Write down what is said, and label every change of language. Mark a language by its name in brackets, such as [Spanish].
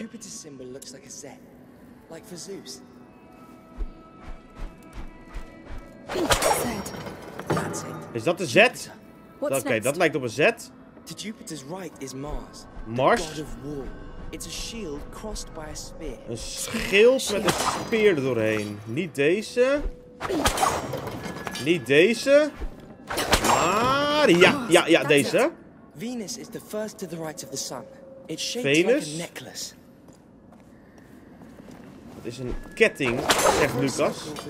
[English] Jupiter's symbol looks like a Z. Like for Zeus. Z. That's it. [Dutch] Is dat de Z? Okay, dat lijkt op een Z. [English] To Jupiter's right is Mars. Mars? God of war, It's a shield crossed by a spear. [Dutch] Een schild met een speer erdoorheen. Niet deze. Niet deze. Maar ja, deze. [English] Venus is the first to the right of the sun. It's shaped like a necklace. [Dutch] Het is een ketting, zegt Lucas.